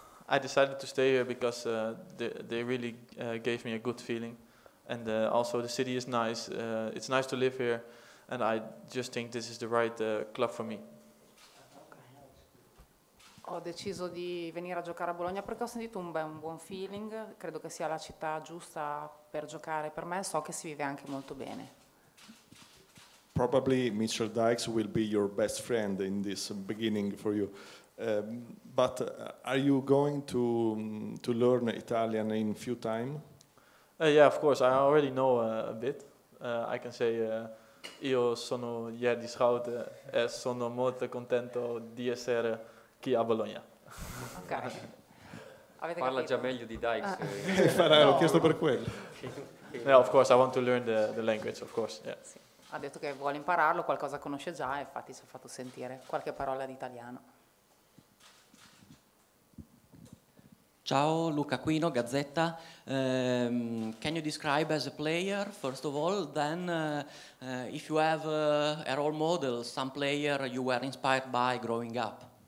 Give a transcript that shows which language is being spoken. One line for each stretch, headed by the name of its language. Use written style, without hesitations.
English: I decided to stay here because they really gave me a good feeling, and also the city is nice. It's nice to live here, and I just think this is the right club for me. Okay.
Italian: Ho deciso di venire a giocare a Bologna perché ho sentito un buon feeling. Credo che sia la città giusta per giocare per me. So che si vive anche molto bene.
English: Probably Mr. Dykes will be your best friend in this beginning for you. But are you going to learn Italian in few time? Yeah, of course. I already know a bit. I can say
Italian: io sono ieri scoute e sono molto contento di essere qui a Bologna. Okay. Avete parla capito? Già meglio di Dykes. ho chiesto per quello.
English: No, of course, I want to learn the language, of course. Yeah.
Italian: Sì. Ha detto che vuole impararlo, qualcosa conosce già, e infatti si è fatto sentire qualche parola di italiano. Ciao, Luca Quino, Gazzetta.
English: Can you describe as a player, first of all, then if you have a role model, some player you were inspired by growing up?